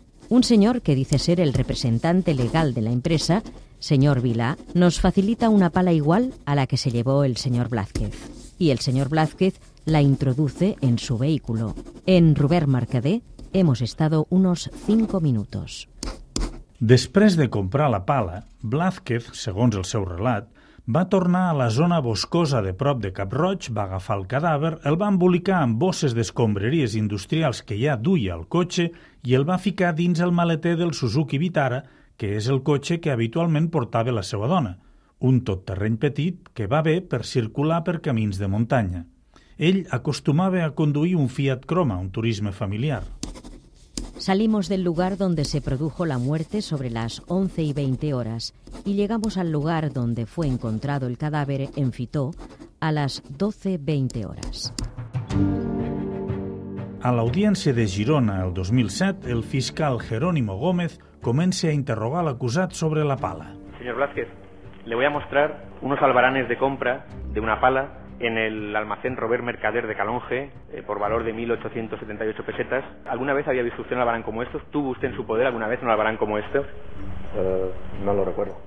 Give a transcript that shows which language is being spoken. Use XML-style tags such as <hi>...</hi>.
<es>Un señor que dice ser el representante legal de la empresa, señor Vilá, nos facilita una pala igual a la que se llevó el señor Blázquez. Y el señor Blázquez la introduce en su vehículo. En Robert Mercader hemos estado unos 5 minutos. Después de comprar la pala, Blázquez,</es> <ca>según el seu relat, va tornar a la zona boscosa de prop de Cap Roig, va agafar el cadàver, el va embolicar amb bosses d'escombreries industrials que ja duia al cotxe i el va ficar dins el maleter del Suzuki Vitara, que és el cotxe que habitualment portava la seva dona, un tot terreny petit que va bé per circular per camins de muntanya. Ell acostumava a conduir un Fiat Croma, un turisme familiar.</ca> <es>Salimos del lugar donde se produjo la muerte sobre las 11:20 y llegamos al lugar donde fue encontrado el cadáver en Fitó a las 12:20.</es> <ca>A l'Audiència de Girona, el 2007, el fiscal Jerónimo Gómez comença a interrogar l'acusat sobre la pala.</ca> <es>Señor Blázquez, le voy a mostrar unos albaranes de compra de una pala en el almacén Robert Mercader de Calonge, por valor de 1.878 pesetas. ¿Alguna vez había visto usted un albarán como estos? ¿Tuvo usted en su poder alguna vez un albarán como estos? No lo recuerdo.</es>